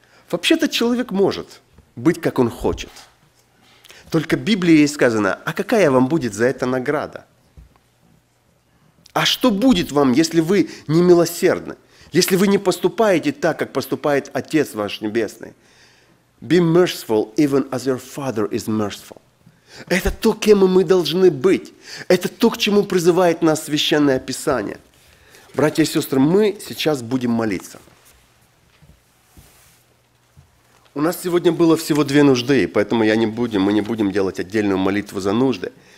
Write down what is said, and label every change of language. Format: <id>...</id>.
<ru>Вообще-то человек может быть, как он хочет. Только в Библии есть сказано, а какая вам будет за это награда? А что будет вам, если вы не милосердны? Если вы не поступаете так, как поступает Отец ваш Небесный?</ru> <en>Be merciful, even as your Father is merciful.</en> <ru>Это то, кем мы должны быть. Это то, к чему призывает нас Священное Писание. Братья и сестры, мы сейчас будем молиться. У нас сегодня было всего две нужды, поэтому мы не будем делать отдельную молитву за нужды.</ru>